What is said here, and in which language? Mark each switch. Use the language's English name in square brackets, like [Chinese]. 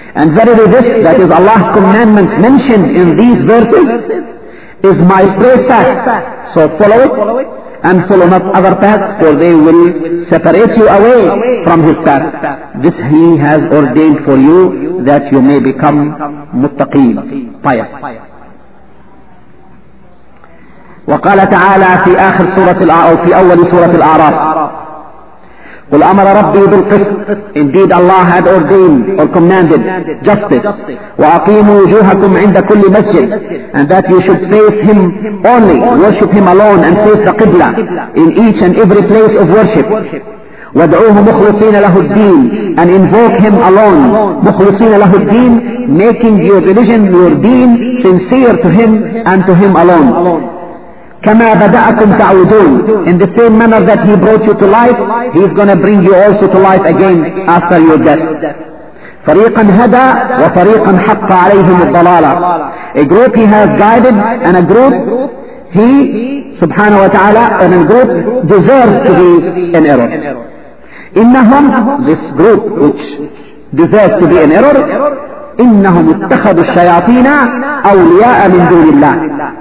[English] And verily this, that is Allah's commandments mentioned in these verses, is my straight path. So follow it, and follow not other paths, for they will separate you away from His path. This He has ordained for you, that you may become muttaqeen, pious. [Arabic] وقال تعالى في آخر سورة الأعراف في أول سورة الأعراف قل أمر ربي بالقسط. [English] Indeed Allah had ordained or commanded justice. [Arabic] وأقيموا وجوهكم عند كل مسجد. [English] And that you should face Him only, worship Him alone, and face the Qibla in each and every place of worship. [Arabic] وادعوه مخلصين له الدين. [English] And invoke Him alone. [Arabic] مخلصين له الدين, [English] making your religion, your deen, sincere to Him and to Him alone. [Arabic] كما بدأكم تعودون. [English] In the same manner that He brought you to life, He is going to bring you also to life again after your death. [Arabic] فريقا هدى وفريقا حق عليهم الضلالة. [English] A group He has guided, and a group He [Arabic] سبحانه وتعالى, [English] and a group deserved to be in error. [Arabic] إنهم, [English] this group which deserved to be in error, [Arabic] إنهم اتخذوا الشياطين أولياء من دون الله.